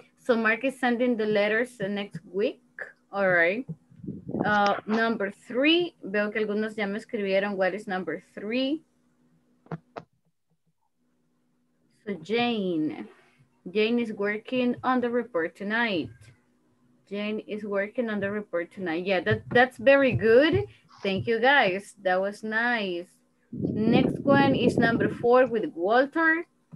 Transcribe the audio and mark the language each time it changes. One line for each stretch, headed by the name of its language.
English: So Mark is sending the letters the next week. All right.
Spanish: Number three, veo que algunos ya me escribieron.
English: What is number three? So Jane is working on the report tonight. Jane is working on the report tonight. Yeah, that's very good. Thank you, guys. That was nice. Next one is number four with Walter.